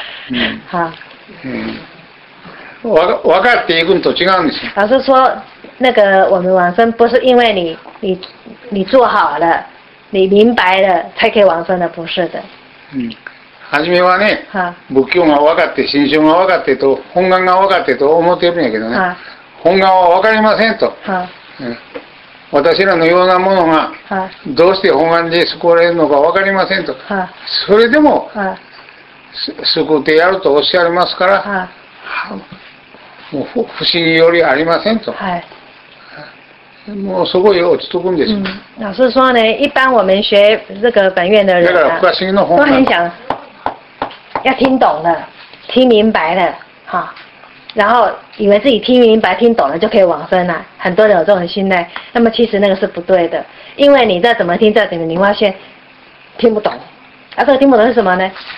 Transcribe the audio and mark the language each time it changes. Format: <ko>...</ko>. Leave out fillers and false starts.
<ja>嗯，分かっていくと違うんです。</ja> <zh>老师说，那个我们往生不是因为你做好了，你明白了才可以往生的，不是的。</zh> <ja>嗯，初めはね、仏教が分かって、心性が分かってと、本願が分かってと思ってるんやけどね、本願は分かりませんと。私らのようなものがどうして本願で救われるのか分かりませんと、それでも救ってやるとおっしゃいますから、もう不思議よりありませんと、もうそこへ落ち着くんですよ。</ja> <zh>老师说呢，一般我们学这个本愿的人，</zh> <ja>だから不思議の本</ja> <zh>願都很想要听懂了，听明白了，哈。然后以为自己听明白听懂了就可以往生了，很多人有这种心态，那么其实那个是不对的，因为你再怎么听再怎么听，你发现听不懂啊，这个听不懂是什么呢？</zh>